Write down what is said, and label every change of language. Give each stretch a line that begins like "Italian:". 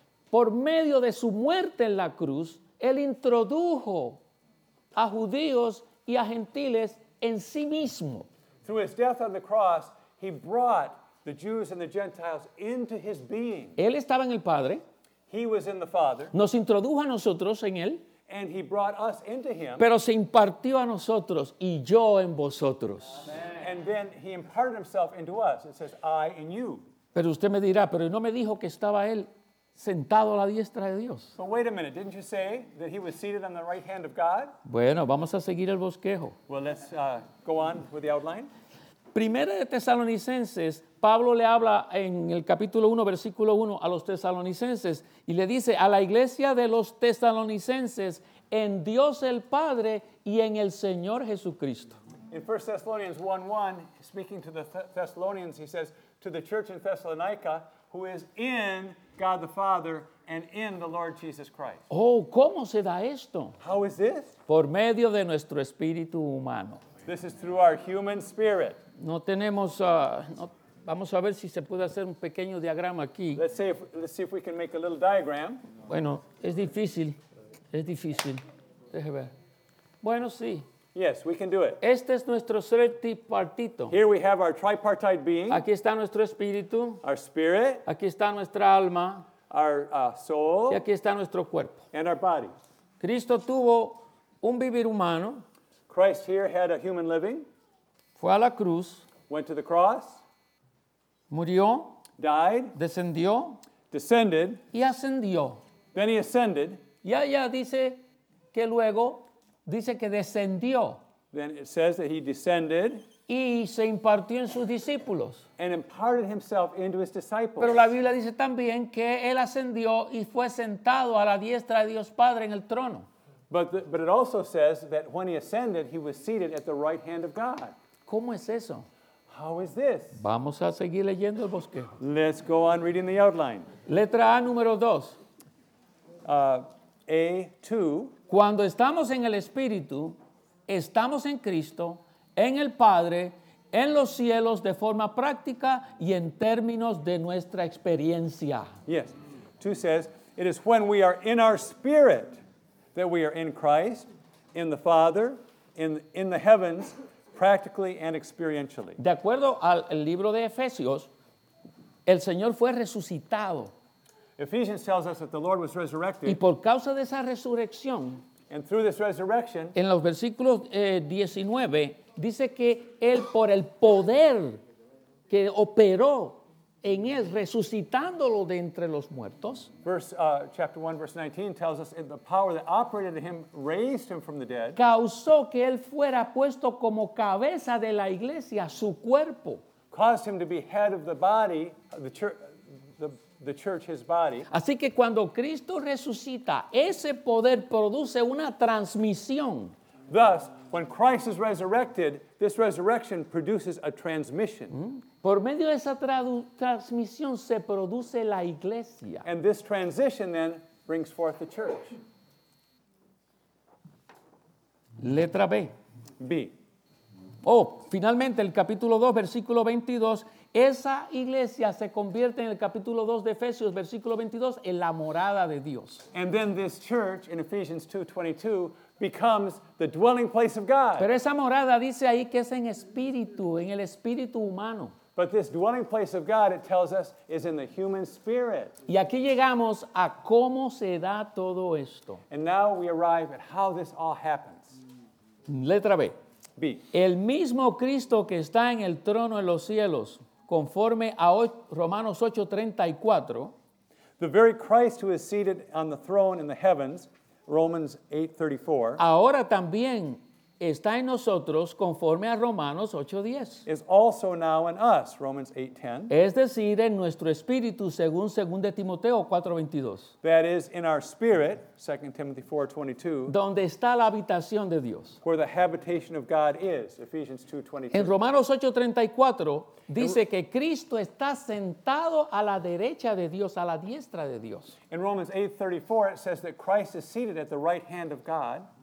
Spanish: Por medio de su muerte en la cruz, él introdujo a judíos y a gentiles en sí mismo.
English: Through his death on the cross, he brought the Jews and the Gentiles into his being.
Spanish: Él estaba en el Padre.
English: He was in the Father.
Spanish: Nos introdujo a nosotros en él.
English: And he brought us into him.
Spanish: Pero se impartió a nosotros y yo en vosotros.
English: Amen. And then he imparted himself into us. It says, I in you.
Spanish: Pero usted me dirá, pero no me dijo que estaba él sentado a la diestra de Dios.
English: But wait a minute, didn't you say that he was seated on the right hand of God?
Spanish: Bueno, vamos a seguir el bosquejo.
English: Well, let's go on with the outline.
Spanish: Primera de Tesalonicenses, Pablo le habla en el capítulo 1, versículo 1 a los tesalonicenses y le dice a la iglesia de los tesalonicenses en Dios el Padre y en el Señor Jesucristo.
English: In 1 Thessalonians 1:1, speaking to the Thessalonians, he says, to the church in Thessalonica, who is in God the Father and in the Lord Jesus Christ.
Spanish: Oh, ¿cómo se da esto?
English: How is this?
Spanish: Por medio de nuestro espíritu humano.
English: This is through our human spirit.
Spanish: No tenemos, vamos a ver si se puede hacer un pequeño diagrama aquí.
English: Let's see if we can make a little diagram.
Spanish: Bueno, es difícil. Déjeme ver. Bueno, sí.
English: Yes, we can do it.
Spanish: Este es nuestro ser tripartito.
English: Here we have our tripartite being.
Spanish: Aquí está nuestro espíritu.
English: Our spirit.
Spanish: Aquí está nuestra alma.
English: Our soul.
Spanish: Y aquí está nuestro cuerpo.
English: And our body.
Spanish: Cristo tuvo un vivir humano.
English: Christ here had a human living.
Spanish: Fue a la cruz.
English: Went to the cross.
Spanish: Murió.
English: Died.
Spanish: Descendió.
English: Descended.
Spanish: Y ascendió.
English: Then he ascended.
Spanish: Ya dice que luego dice que descendió.
English: Then it says that he descended.
Spanish: Y se impartió en sus discípulos.
English: And imparted himself into his disciples.
Spanish: Pero la Biblia dice también que él ascendió y fue sentado a la diestra de Dios Padre en el trono.
English: But it also says that when he ascended, he was seated at the right hand of God.
Spanish: ¿Cómo es eso?
English: How is this?
Spanish: Vamos a seguir leyendo el bosquejo.
English: Let's go on reading the outline.
Spanish: Letra A, número 2.
English: A2.
Spanish: Cuando estamos en el Espíritu, estamos en Cristo, en el Padre, en los cielos de forma práctica y en términos de nuestra experiencia.
English: Yes. 2 says, it is when we are in our spirit that we are in Christ, in the Father, in the heavens, practically and experientially.
Spanish: De acuerdo al libro de Efesios, el Señor fue resucitado.
English: Ephesians tells us that the Lord was resurrected.
Spanish: Y por causa de esa resurrección,
English: and through this resurrection,
Spanish: en los versículos 19, dice que él por el poder que operó en él, resucitándolo de entre los muertos.
English: Chapter 1, verse 19 tells us the power that operated in him raised him from the dead.
Spanish: Causó que él fuera puesto como cabeza de la iglesia, su cuerpo.
English: Caused him to be head of the body, the church, his body.
Spanish: Así que cuando Cristo resucita, ese poder produce una transmisión.
English: Thus, when Christ is resurrected, this resurrection produces a transmission.
Spanish: Por medio de esa transmisión se produce la iglesia.
English: And this transition then brings forth the church.
Spanish: Letra B.
English: B.
Spanish: Oh, finalmente el capítulo 2, versículo 22. Esa iglesia se convierte en el capítulo 2 de Efesios, versículo 22, en la morada de Dios.
English: And then this church in Ephesians 2, 22 becomes the dwelling place of God.
Spanish: Pero esa morada dice ahí que es en el espíritu humano.
English: But this dwelling place of God, it tells us, is in the human spirit.
Spanish: Y aquí llegamos a cómo se da todo esto.
English: And now we arrive at how this all happens.
Spanish: Letra B.
English: B.
Spanish: El mismo Cristo que está en el trono en los cielos, conforme a Romanos 8:34.
English: The very Christ who is seated on the throne in the heavens, Romans 8:34.
Spanish: Ahora también está en nosotros conforme a Romanos 8:10.
English: Is also now in us, Romans 8:10.
Spanish: Es decir, en nuestro espíritu, según 2 Timoteo 4:22.
English: That is, in our spirit, 2 Timothy 4:22.
Spanish: Donde está la habitación de Dios.
English: Where the habitation of God is, Ephesians 2:22.
Spanish: En Romanos 8:34, dice que Cristo está sentado a la derecha de Dios, a la diestra de Dios.
English: In Romans 8:34, it says that Christ is seated at the right hand of God.